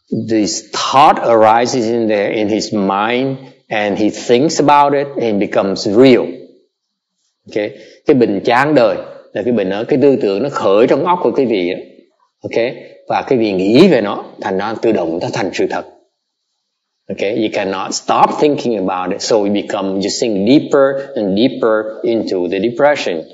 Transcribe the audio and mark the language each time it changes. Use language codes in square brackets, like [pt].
[en] This thought arises in there, in his mind, and he thinks about it, and becomes real. Okay? [vi] Cái bệnh chán đời, là cái bệnh đó, cái tư tưởng nó khởi trong óc của quý vị đó. Ok, và quý vị nghĩ về nó, thành nó tự động nó thành sự thật. [en] Ok, you cannot stop thinking about it, so you become, you sink deeper and deeper into the depression.